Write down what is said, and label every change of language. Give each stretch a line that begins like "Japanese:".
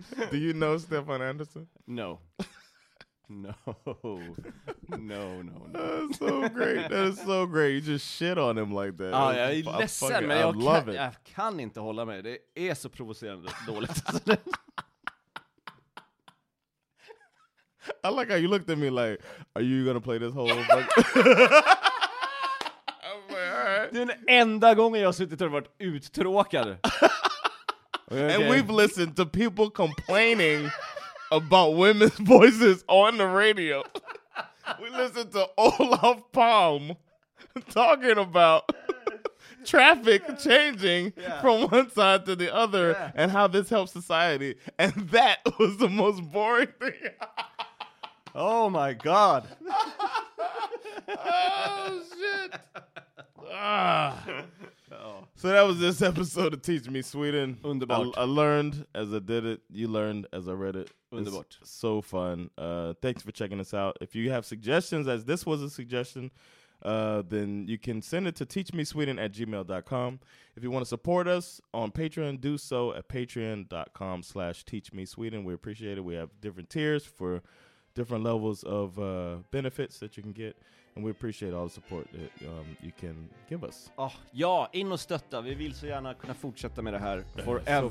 English: Do you know Stefan Anderson? No. No. That is so great. That is so great. You just shit on him like that.
Swedish: Ah, jag är ledsen, men jag kan inte hålla med. Det är så provocerande dåligt.
English: I like how you looked at me like, are you gonna play this whole fuck?
Swedish: Den enda gången jag har suttit och varit uttråkad.
English: Okay. And we've listened to people complaining about women's voices on the radio. We listened to Olof Palm talking about traffic changing from one side to the other and how this helps society. And that was the most boring thing. Oh, my God. Oh, shit. So that was this episode of Teach Me Sweden.
Swedish: Underbart.
English: I learned as I did it. You learned as I read it.
Swedish: Underbart.
English: So fun. Thanks for checking us out. If you have suggestions, as this was a suggestion, then you can send it to teachmesweden@gmail.com. If you want to support us on Patreon, do so at patreon.com/teachmesweden. We appreciate it. We have different tiers for different levels of benefits that you can get. And we appreciate all the support that you can give us.
Swedish: Oh, ja, in och stötta. Vi vill så gärna kunna fortsätta med det här forever.